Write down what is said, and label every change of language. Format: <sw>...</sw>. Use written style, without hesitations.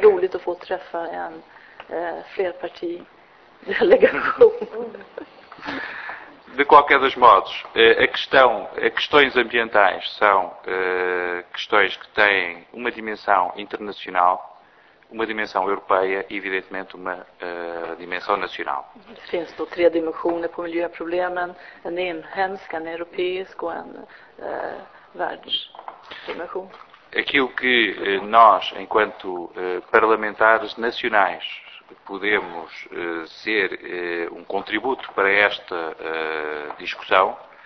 <pt>Seria muito bom ter uma flerpartidelegação. De qualquer dos modos, questões ambientais são questões que têm uma dimensão internacional, uma dimensão europeia e, evidentemente, uma dimensão nacional.</pt> <sv>Finns då tre dimensioner på miljöproblemen, en inhemsk, en europeisk och en världsdimension.</sv> <pt>Aquilo que nós, enquanto parlamentares nacionais, podemos ser um contributo para esta discussão.</pt>